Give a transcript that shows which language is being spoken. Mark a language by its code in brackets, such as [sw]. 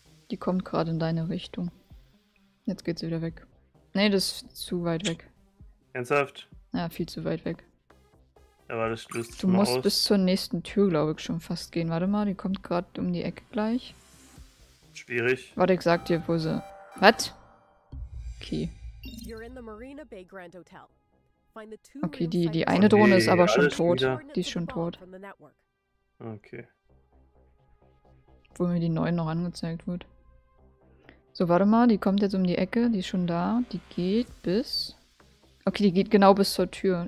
[de] Die kommt gerade in deine Richtung. Jetzt geht sie wieder weg. Nee, das ist zu weit weg. Ernsthaft? Ja, viel zu weit weg. Aber das stößt. Du musst bis zur nächsten Tür, glaube ich, schon fast gehen. Warte mal, die kommt gerade um die Ecke gleich. Schwierig. Warte, ich sag dir, wo sie. Was? Okay. [en] You're in the Marina Bay Grand Hotel. Find the two. [de] Okay, die eine Drohne ist aber schon tot. Wieder. Die ist schon tot. Okay. Wo mir die neuen noch angezeigt wird. So, warte mal, die kommt jetzt um die Ecke, die ist schon da. Die geht bis. Okay, die geht genau bis zur Tür.